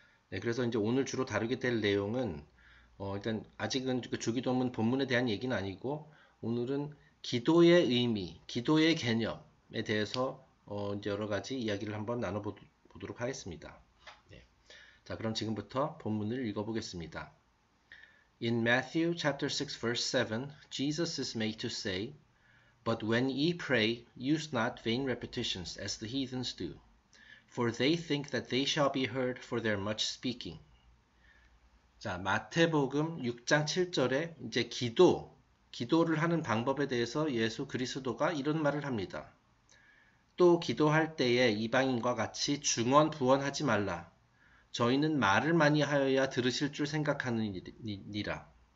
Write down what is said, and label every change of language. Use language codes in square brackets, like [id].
[ko] 네, 그래서 이제 오늘 주로 다루게 될 내용은 일단 아직은 주기도문 본문에 대한 얘기는 아니고 오늘은 기도의 의미, 기도의 개념에 대해서 이제 여러 가지 이야기를 한번 나눠보도록 하겠습니다. 자, 그럼 지금부터 본문을 읽어보겠습니다. [en] In Matthew chapter 6 verse 7, Jesus is made to say, But when ye pray, use not vain repetitions as the heathens do, for they think that they shall be heard for their much speaking. [ko] 자, 마태복음 6장 7절에 이제 기도를 하는 방법에 대해서 예수 그리스도가 이런 말을 합니다. 또 기도할 때에 이방인과 같이 중언 부언하지 말라. 저희는 말을 많이 하여야 들으실 줄 생각하느니라.